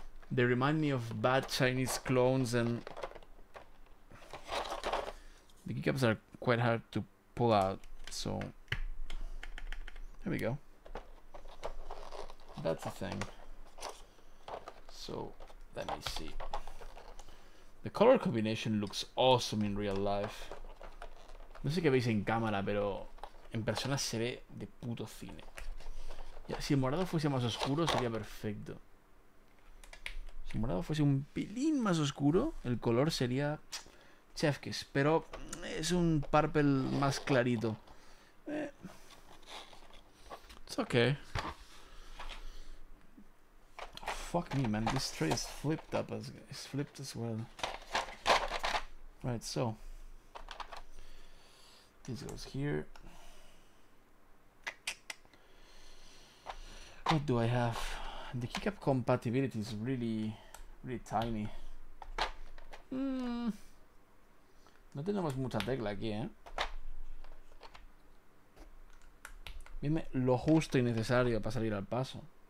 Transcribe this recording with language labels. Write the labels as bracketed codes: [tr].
[en] They remind me of bad Chinese clones, and the keycaps are quite hard to pull out. So here we go. That's a thing. So let me see. The color combination looks awesome in real life. [es] No sé qué veis en cámara, pero en persona se ve de puto cine. Si el morado fuese más oscuro, sería perfecto. Si el morado fuese un pelín más oscuro, el color sería chef kiss. Pero es un purple más clarito. [en] It's okay. Fuck me, man. This tray is flipped up. It's flipped as well. Right, so. This goes here. What do I have? The keycap compatibility is really, really tiny. [es] No tenemos mucha tecla aquí, eh. Dime lo justo y necesario para salir al paso.